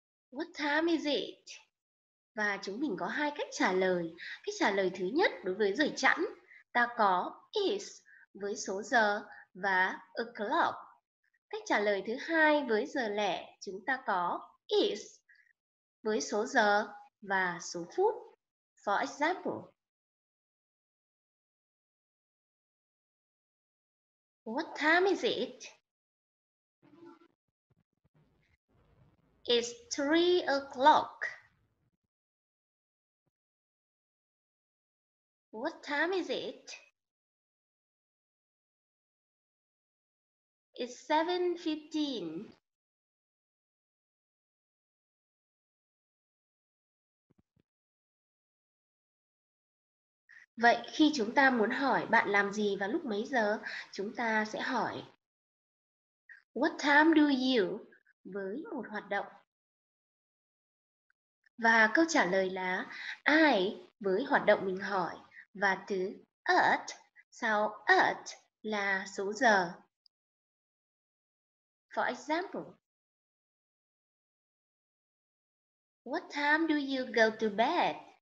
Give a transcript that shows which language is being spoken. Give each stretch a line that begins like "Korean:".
English: What time is it?
Vietnamese: Và chúng mình có hai cách trả lời. Cách trả lời thứ nhất đối với giờ chẵn, ta có is với số giờ và o'clock. Cách trả lời thứ hai với giờ lẻ, chúng ta có is với số giờ và số phút.
English: For example, what time is it? It's 3 o'clock. What time is it? It's 7:15.
Vietnamese: Vậy khi chúng ta muốn hỏi bạn làm gì và lúc mấy giờ, chúng ta sẽ hỏi
English: What time do you
Vietnamese: với một hoạt động. Và câu trả lời là I với hoạt động mình hỏi và từ at sau at là số giờ.
English: For example, what time do you go to bed?